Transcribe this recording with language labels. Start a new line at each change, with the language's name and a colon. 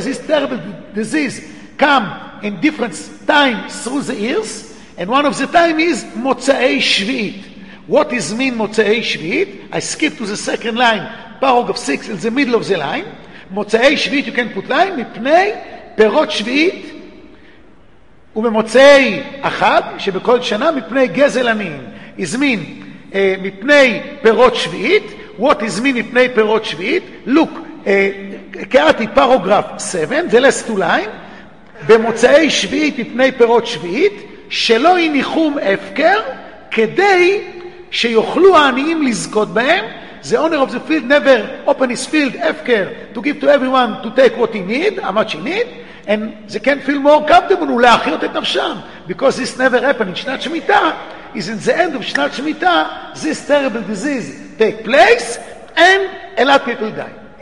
English: This terrible disease come in different times through the years, and one of the time is מוצאי שביעית. What is mean מוצאי שביעית? I skip to the second line, paragraph 6, in the middle of the line, מוצאי שביעית, you can put line,
Hebrew: מפני פירות שביעית ובמוצאי אחד, שבכל שנה מפני גזל עניים.
English: Is mean
Hebrew: מפני פירות שביעית.
English: What is mean
Hebrew: מפני פירות שביעית? Look, קראתי
English: paragraph 7, the last two line,
Hebrew: במוצאי שביעית מפני פירות שביעית, שלא יניחום הפקר, כדי שיוכלו העניים לזכות בהם.
English: The owner of the field never open his field efker to give to everyone to take what he need, how much he need, and they can feel more comfortable
Hebrew: ולהחיות את נפשם,
English: because this never happened in שנת שמיטה. Is in the end of שנת שמיטה, this terrible disease take place and a lot of people die.